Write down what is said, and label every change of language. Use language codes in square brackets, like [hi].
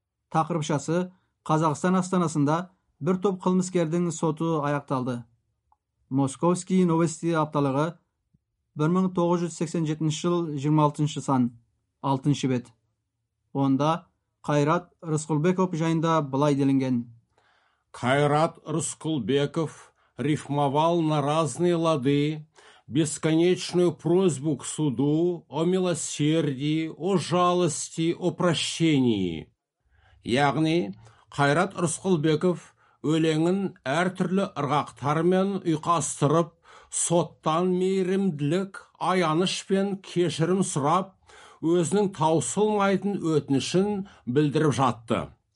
[kk] Тақырыпшасы Қазақстан астанасында бір топ қылмыскердің соты аяқталды. «Московский новости» апталығы 1987 жыл 26 сан, 6 бет. Онда Қайрат Рысқұлбеков жайында былай делінген. [ru] Қайрат Рысқұлбеков рифмовал на разные лады бесконечную просьбу к суду о милосердии, о жалости, о прощении. [kk] Яғни Қайрат Рысқұлбеков өлеңін әр түрлі ырғақтармен ұйқастырып, соттан мейірімділік, аяныш пен кешірім сұрап, өзінің таусылмайтын өтінішін білдіріп жатты.